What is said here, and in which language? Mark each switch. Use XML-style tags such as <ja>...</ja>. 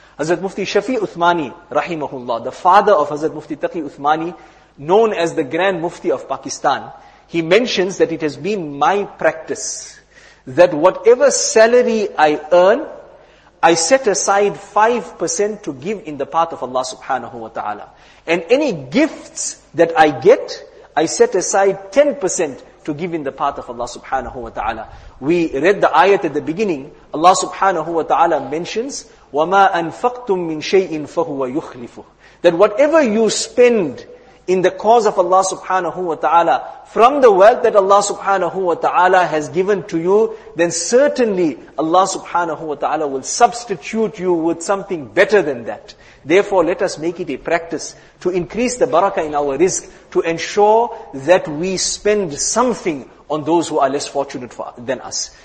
<en>Hazrat Mufti Shafi Uthmani, rahimahullah, the father of Hazrat Mufti Taqi Uthmani, known as the Grand Mufti of Pakistan, he mentions that it has been my practice that whatever salary I earn, I set aside 5% to give in the path of Allah subhanahu wa ta'ala. And any gifts that I get, I set aside 10% to give in the path of Allah subhanahu wa ta'ala. We read the ayat at the beginning. Allah subhanahu wa ta'ala mentions,</en> <ar>وَمَا أَنْفَقْتُم مِّن شَيْءٍ فَهُوَ يُخْلِفُهُ.</ar> <en>That whatever you spend in the cause of Allah subhanahu wa ta'ala, from the wealth that Allah subhanahu wa ta'ala has given to you, then certainly Allah subhanahu wa ta'ala will substitute you with something better than that. Therefore, let us make it a practice to increase the barakah in our rizq, to ensure that we spend something on those who are less fortunate than us.</en>